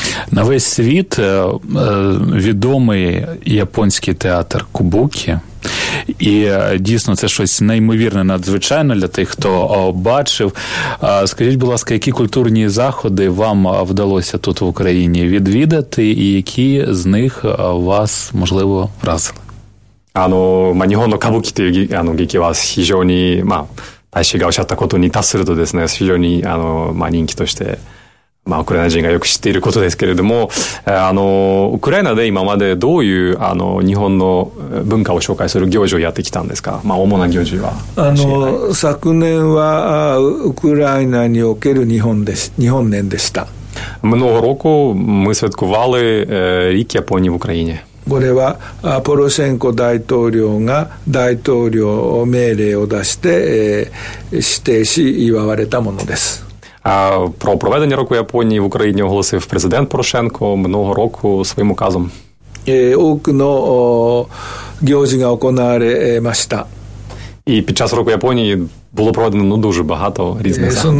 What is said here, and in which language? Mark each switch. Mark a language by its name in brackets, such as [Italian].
[Ukrainian] На весь світ відомий японський театр Кубукі. І дійсно це щось неймовірне, надзвичайне для тих, хто бачив. Скажіть, будь ласка, які культурні заходи вам вдалося тут в Україні відвідати, і які з них вас, можливо, вразили? [Japanese] Нігоно кабукі という劇は非常に、大使がおっしゃったことに達するとですね、非常に人気として、ウクライナ人がよく知っていることですけれども、ウクライナで今までどういう日本の文化を紹介する行事をやってきたんですか、主な行事は。昨年はウクライナにおける日本年でした。 [Ukrainian] Много року ми святкували рік Японії в Україні。 [Japanese] これはポロシェンコ大統領が大統領命令を出して、指定し祝われたものです。 [Ukrainian] Про проведення року Японії в Україні оголосив президент Порошенко минулого року своїм указом. [Japanese] 多くの行事が行われました。 [Ukrainian] І під час року Японії було проведено дуже багато різних заходів.